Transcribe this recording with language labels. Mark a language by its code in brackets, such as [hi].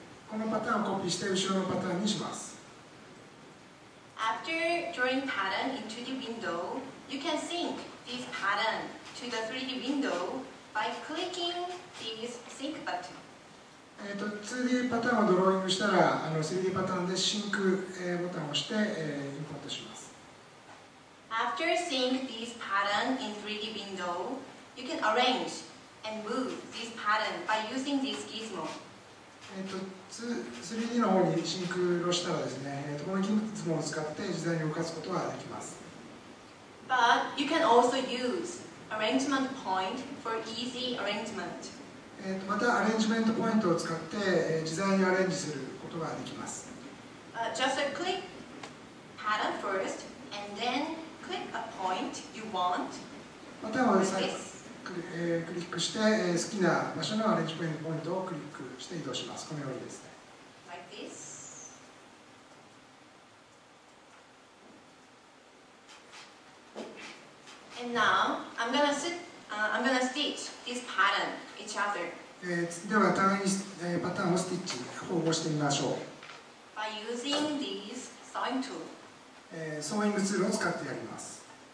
[ja] このパターンをコピーして後ろのパターンにします。 [en] After drawing pattern in 2D window, you can sync this pattern to the 3D window by clicking this sync button. [ja] 2D パターンをドローイングしたら、3D パターンでシンク、ボタンを押して、インポートします。 [en] After sync this pattern in 3D window, you can arrangeAnd move this pattern by using this gizmo. [ja] 3D の方にシンクロしたらですね、このギズモを使って自在に動かすことができます。 [en] But you can also use arrangement point for easy arrangement. [ja] またアレンジメントポイントを使って、自在にアレンジすることができます。 [en] Just a click pattern first, and then click a point you want. [ja] またはですね。クリックして、好きな場所のアレンジポイントをクリックして移動します。このようにですね。 [en] Like this. And now I'm gonna stitch this pattern each other. [ja] では互いに、パターンをスティッチ縫合してみましょう。 [en] By using this sewing tool. [ja] ソーイングツールを使ってやります。